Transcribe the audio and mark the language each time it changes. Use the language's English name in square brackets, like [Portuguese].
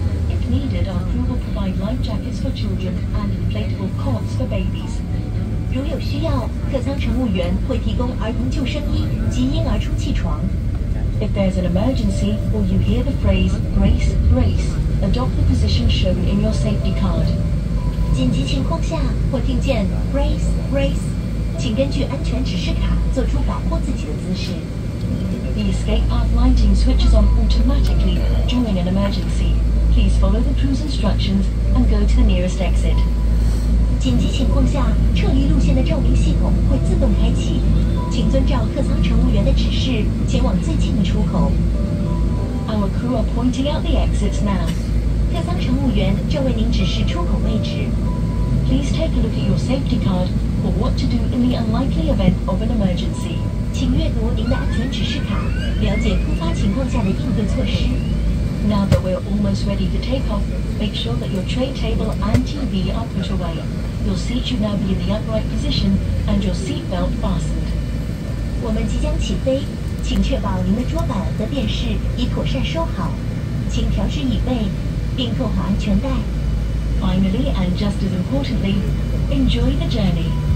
[English] If needed, our crew will provide life jackets for children and inflatable cots for babies. [Chinese] 如有需要，客舱乘务员会提供儿童救生衣及婴儿充气床。 [English] If there's an emergency or you hear the phrase brace, brace, adopt the position shown in your safety card. [Chinese] 紧急情况下或听见 [English] brace, brace, [Chinese] 请根据安全指示卡做出保护自己的姿势。 [English] The escape path lighting switches on automatically during an emergency. Please follow the crew's instructions and go to the nearest exit. [Chinese] 紧急情况下，撤离路线的照明系统会自动开启。请遵照客舱乘务员的指示，前往最近的出口。 [English] Our crew are pointing out the exits now. [Chinese] 客舱乘务员正为您指示出口位置。 [English] Please take a look at your safety card for what to do in the unlikely event of an emergency. [Chinese] 请阅读您的安全指示卡，了解突发情况下的应对措施。 [English] Now that we're almost ready to take off, make sure that your tray table and TV are put away. Your seat should now be in the upright position and your seat belt fastened. [Chinese] 我们即将起飞，请确保您的桌板和电视已妥善收好，请调试椅背，并扣好安全带。 [English] Finally, and just as importantly, enjoy the journey.